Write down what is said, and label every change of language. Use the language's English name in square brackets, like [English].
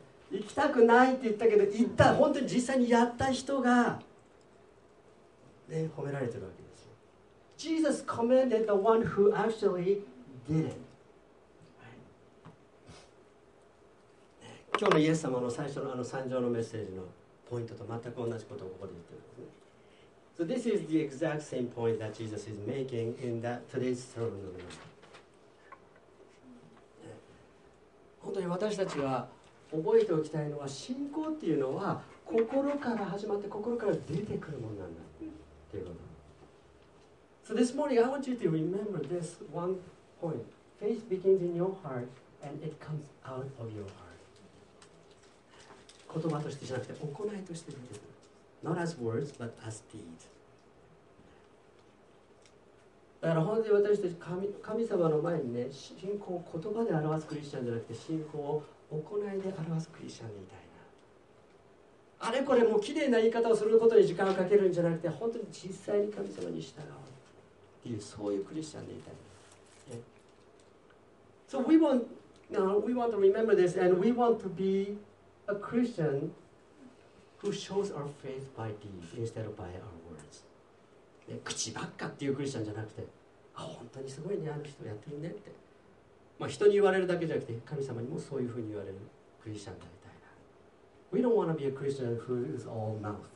[Japanese] 行きたくないって言ったけど、行った、本当に実際にやった人がね、褒められてるわけですよ。 [English] Jesus commended the one who actually did it. [Japanese] 今日のイエス様の最初のあの参上のメッセージのポイントと全く同じことをここで言ってるんですね。 [English] So this is the exact same point that Jesus is making in that today's sermon. [Japanese] 本当に私たちは覚えておきたいのは、信仰っていうのは心から始まって心から出てくるものなんだ。 [English] So this morning I want you to remember this one point. Faith begins in your heart and it comes out of your heart. [Japanese] 言葉としてじゃなくて行いとして出てくる。 [English] Not as words, but as deeds. [Japanese] だから本当に私たち 神様の前にね、信仰を言葉で表すクリスチャンじゃなくて信仰を行いで表すクリスチャンでいたい。あれこれもう綺麗な言い方をすることに時間をかけるんじゃなくて、本当に実際に神様に従おうっていう、そういうクリスチャンでいたい。 [English] So we want to remember this and we want to be a Christian who shows our faith by deeds instead of by our words. [Japanese] 口ばっかっていうクリスチャンじゃなくて、あ本当にすごいね、あの人やってるねって、まあ、人に言われるだけじゃなくて神様にもそういうふうに言われるクリスチャンだ。 [English] We don't want to be a Christian who is all mouth.